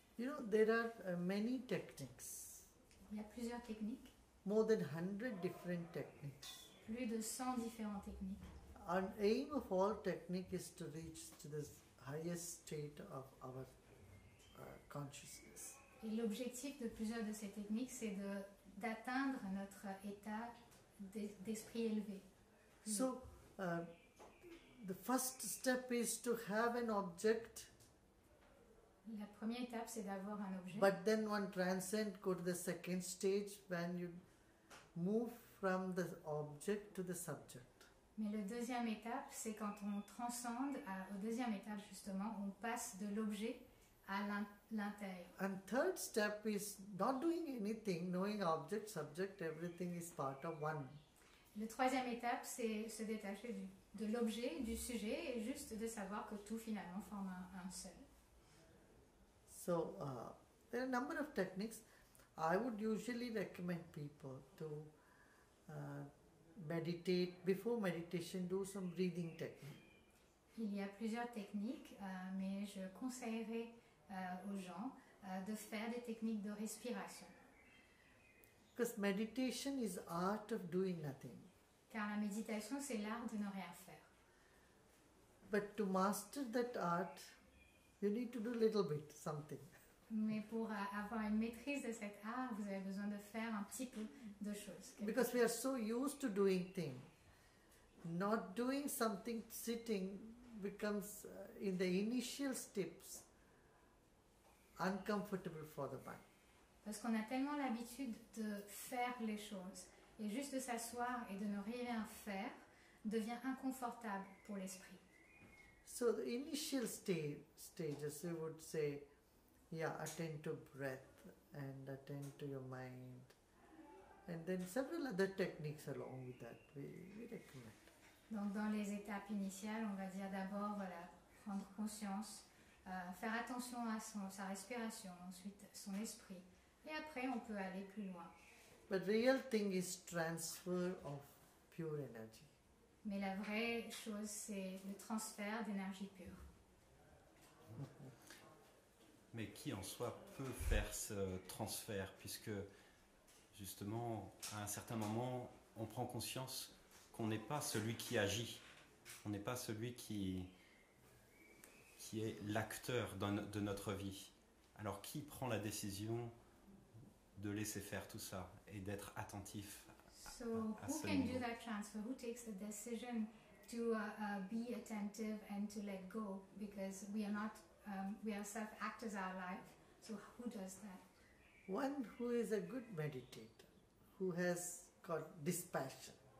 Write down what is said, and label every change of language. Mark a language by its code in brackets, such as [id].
[en] You know, there are many techniques. [fr] Il y a plusieurs techniques. [en] More than 100 different techniques. [fr] Plus de 100 différentes techniques. [en] And aim of all technique is to reach to this highest state of our consciousness. [fr] Et l'objectif de plusieurs de ces techniques, c'est d'atteindre notre état d'esprit élevé. [en] So, the first step is to have an object. [fr] La première étape, c'est d'avoir un objet. [en] But then one transcends, go to the second stage, when you move from the object to the subject. [fr] Mais la deuxième étape, c'est quand on transcende, au deuxième étape justement, on passe de l'objet à l'intérieur. [en] And third step is not doing anything, knowing object, subject, everything is part of one. [fr] Le troisième étape, c'est se détacher de l'objet, du sujet, et juste de savoir que tout finalement forme un seul. [en] So, there are a number of techniques. I would usually recommend people to meditate. Before meditation, do some breathing technique. [fr] Il y a plusieurs techniques, mais je conseillerais aux gens de faire des techniques de respiration. [en] Because meditation is art of doing nothing. [fr] Car la méditation c'est l'art de ne rien faire. [en] But to master that art, you need to do a little bit something. [fr] Mais pour avoir une maîtrise de cet art, vous avez besoin de faire un petit peu de choses. [en] Because we are so used to doing things, not doing something sitting becomes in the initial steps. Uncomfortable for the body. [fr] Parce qu'on a tellement l'habitude de faire les choses et juste de s'asseoir et de ne rien faire devient inconfortable pour l'esprit. [en] So the initial stages, you would say, yeah, attend to breath and attend to your mind, and then several other techniques along with that we recommend. [fr] Donc dans les étapes initiales, on va dire d'abord voilà prendre conscience. Faire attention à sa respiration, ensuite son esprit, et après on peut aller plus loin. [en] But real thing is transfer of pure energy. [fr] Mais la vraie chose, c'est le transfert d'énergie pure. Mais qui en soi peut faire ce transfert, puisque justement, à un certain moment, on prend conscience qu'on n'est pas celui qui agit, on n'est pas celui qui est l'acteur de notre vie. Alors, qui prend la décision de laisser faire tout ça et d'être attentif à ce moment? [en] So, who can do that transfer? Who takes the decision to be attentive and to let go? Because we are not, we are self-actors our life. So, who does that? One who is a good meditator, who has got dispassion,